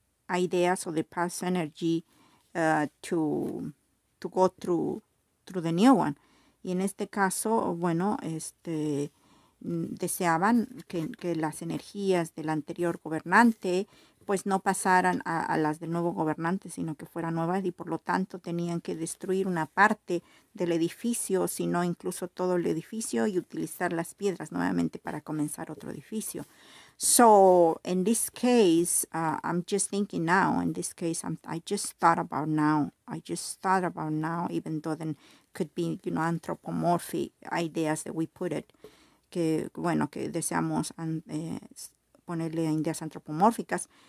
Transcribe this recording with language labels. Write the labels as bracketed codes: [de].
[en] ideas or the past energy to go through the new one. [es] Y en este caso, bueno, deseaban que las energías del anterior gobernante pues no pasaran a las del nuevo gobernante, sino que fueran nuevas, y por lo tanto tenían que destruir una parte del edificio, sino incluso todo el edificio, y utilizar las piedras nuevamente para comenzar otro edificio. [en] So in this case, I'm just thinking now, in this case, I just thought about now, even though then could be, you know, anthropomorphic ideas that we put it, [es] que bueno, que deseamos ponerle ideas antropomórficas.